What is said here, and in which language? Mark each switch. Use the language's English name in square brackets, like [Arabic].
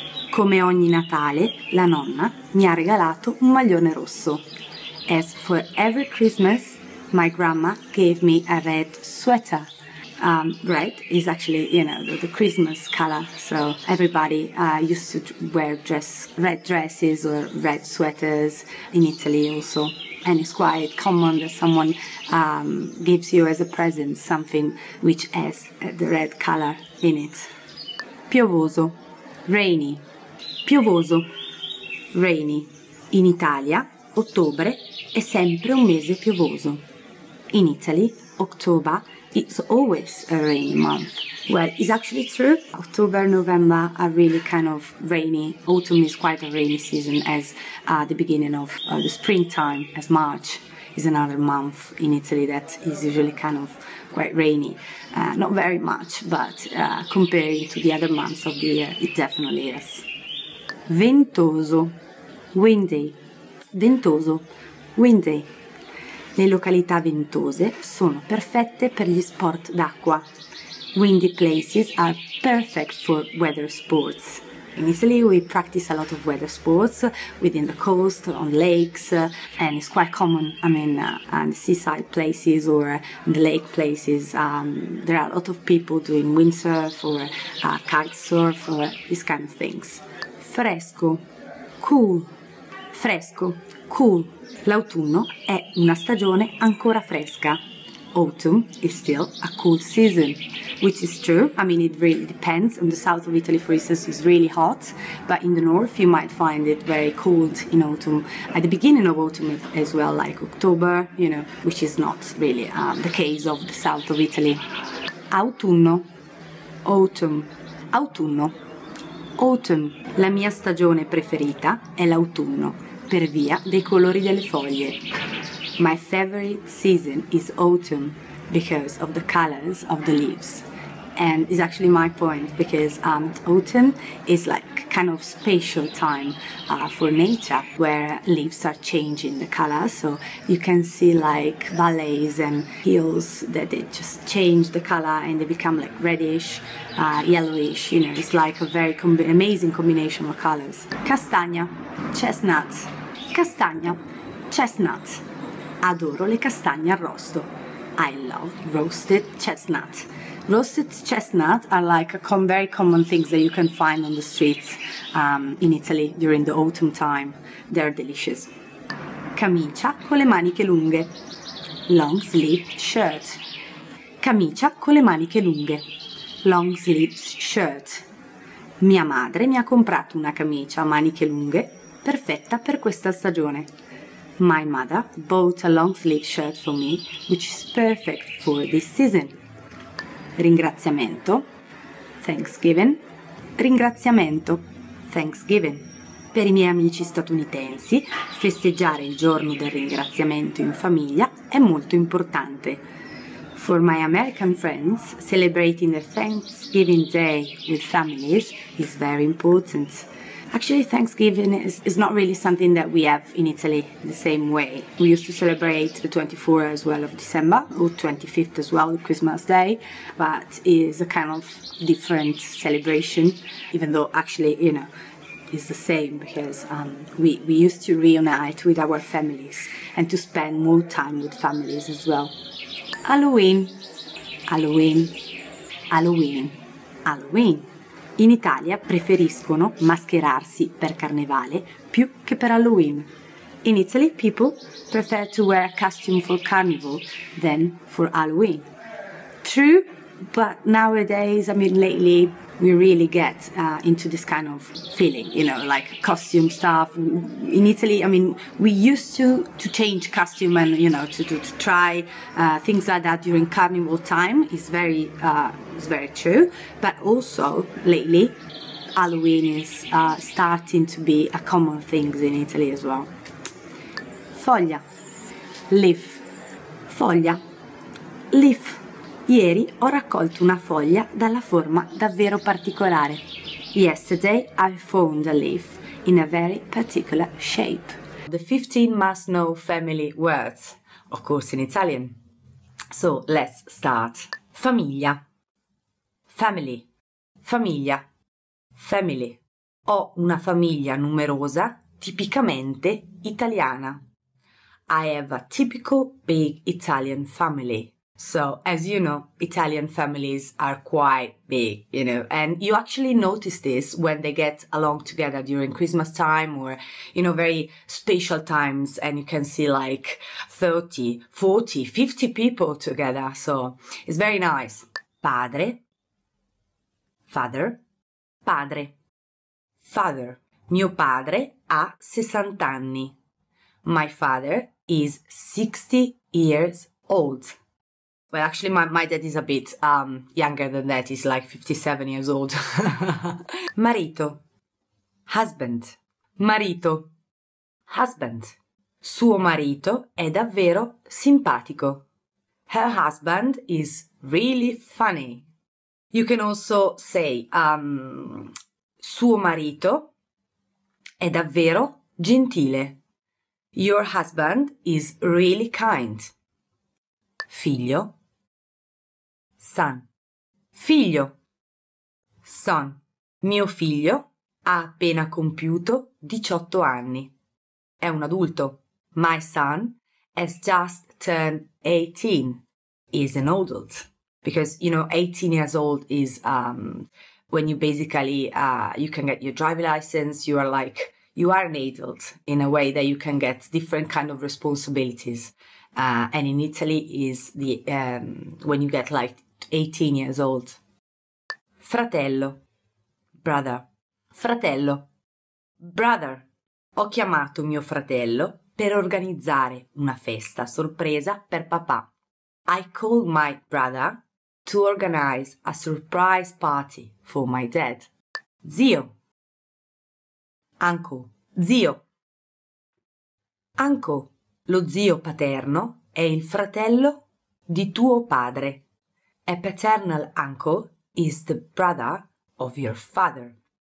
[Italian] Come ogni Natale, la nonna mi ha regalato un maglione rosso. [English] As for every Christmas, my grandma gave me a red sweater. Red is actually, you know, the Christmas color. So everybody used to wear red dresses or red sweaters in Italy also. And it's quite common that someone gives you as a present something which has the red color in it. [Italian] Piovoso, rainy. Piovoso, rainy. In Italia, ottobre è sempre un mese piovoso. [English] In Italy, October, it's always a rainy month. Well, it's actually true. October, November are really kind of rainy. Autumn is quite a rainy season as the beginning of the springtime, as March is another month in Italy that is usually kind of quite rainy. Not very much, but comparing to the other months of the year, it definitely is. [Italian] Ventoso, windy. Ventoso, windy. Le località ventose sono perfette per gli sport d'acqua. [English] Windy places are perfect for weather sports. In Italy we practice a lot of weather sports within the coast, on lakes, and it's quite common, I mean, in seaside places or in the lake places. There are a lot of people doing windsurf or kitesurf or these kind of things. [Italian] Fresco, cool. Fresco, cool. L'autunno è una stagione ancora fresca. [English] Autumn is still a cool season, which is true. I mean, it really depends. In the south of Italy, for instance, it's really hot, but in the north, you might find it very cold in autumn. At the beginning of autumn as well, like October, you know, which is not really the case of the south of Italy. [Italian] Autunno, autumn, autunno. [English] Autumn. [Italian] La mia stagione preferita è l'autunno, per via dei colori delle foglie. [English] My favorite season is autumn because of the colors of the leaves. And it's actually my point because autumn is like kind of special time for nature where leaves are changing the color. So you can see like valleys and hills that they just change the color and they become like reddish, yellowish. You know, it's like a very amazing combination of colors. [Italian] Castagna, chestnut. Castagna, chestnut. Adoro le castagne arrosto. [English] I love roasted chestnut. Roasted chestnut are like very common things that you can find on the streets in Italy during the autumn time. They're delicious. [Italian] Camicia con le maniche lunghe. [English] Long sleeve shirt. [Italian] Camicia con le maniche lunghe. [English] Long sleeve shirt. [Italian] Mia madre mi ha comprato una camicia a maniche lunghe perfetta per questa stagione. [English] My mother bought a long sleeve shirt for me, which is perfect for this season. [Italian] Ringraziamento, [English] Thanksgiving. [Italian] Ringraziamento, [English] Thanksgiving. [Italian] Per i miei amici statunitensi, festeggiare il giorno del ringraziamento in famiglia è molto importante. [English] For my American friends, celebrating the Thanksgiving Day with families is very important. Actually, Thanksgiving is not really something that we have in Italy the same way. We used to celebrate the 24th as well of December, or 25th as well, Christmas Day, but it is a kind of different celebration, even though actually, you know, it's the same because we used to reunite with our families and to spend more time with families as well. Halloween. Halloween. Halloween. Halloween. [Italian] In Italia preferiscono mascherarsi per Carnevale più che per Halloween. [English] In Italy, people prefer to wear a costume for Carnival than for Halloween. True, but nowadays, I mean, lately, we really get into this kind of feeling, you know, like costume stuff. In Italy, I mean, we used to change costume and, you know, to try things like that during Carnival time. It's very true. But also, lately, Halloween is starting to be a common thing in Italy as well. [Italian] foglia. Leaf. Foglia. Leaf. Ieri ho raccolto una foglia dalla forma davvero particolare. [English] Yesterday I found a leaf in a very particular shape. The 15 must know family words. Of course in Italian. So let's start. Famiglia. Family. Famiglia. Family. [Italian] Ho una famiglia numerosa, tipicamente italiana. [English] I have a typical big Italian family. So, as you know, Italian families are quite big, you know, and you actually notice this when they get along together during Christmas time or, you know, very special times, and you can see like 30, 40, 50 people together. So, it's very nice. Padre. Father. Padre. Father. [Italian] Mio padre ha 60 anni. [English] My father is 60 years old. Well, actually, my dad is a bit younger than that. He's like 57 years old. Marito. Husband. Marito. Husband. [Italian] Suo marito è davvero simpatico. [English] Her husband is really funny. You can also say, [Italian] suo marito è davvero gentile. [English] Your husband is really kind. [Italian] Figlio. Son. Figlio. Son. Mio figlio ha appena compiuto 18 anni. È un adulto. [English] My son has just turned 18. He is an adult. Because, you know, 18 years old is when you basically, you can get your driving license, you are like, you are an adult in a way that you can get different kind of responsibilities. And in Italy is the when you get like 18 years old. [Italian] Fratello. Brother. Fratello. Brother. Ho chiamato mio fratello per organizzare una festa sorpresa per papà. [English] I called my brother to organize a surprise party for my dad. [Italian] Zio. Uncle. Zio. Uncle. Lo zio paterno è il fratello di tuo padre. [English] A paternal uncle is the brother of your father.